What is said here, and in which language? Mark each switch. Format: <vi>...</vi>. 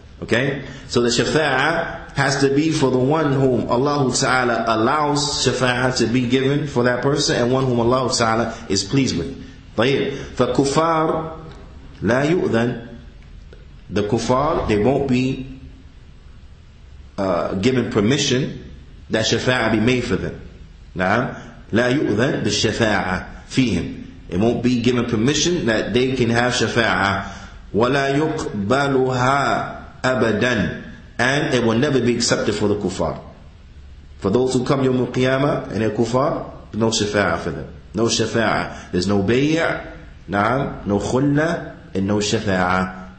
<en>Okay, so the shafa'ah has to be for the one whom Allah Ta'ala allows shafa'ah to be given for that person, and one whom Allah Ta'ala is pleased with.</en> <ar>طيب, فكفار لا يؤذن.</ar> <en>The kuffar, they won't be given permission that shafa'ah be made for them.</en> <ar>نعم, لا يؤذن بالشفاعه فيهم.</ar> <en>It won't be given permission that they can have shafa'ah.</en> <ar>ولا يقبلها أبداً.</ar> <en>And it will never be accepted for the kuffar. For those who come yawm al-qiyamah and they're kuffar, no shafa'ah for them. No shafa'ah. There's no bay'ah, na'am, no khulla, and no shafa'ah.</en>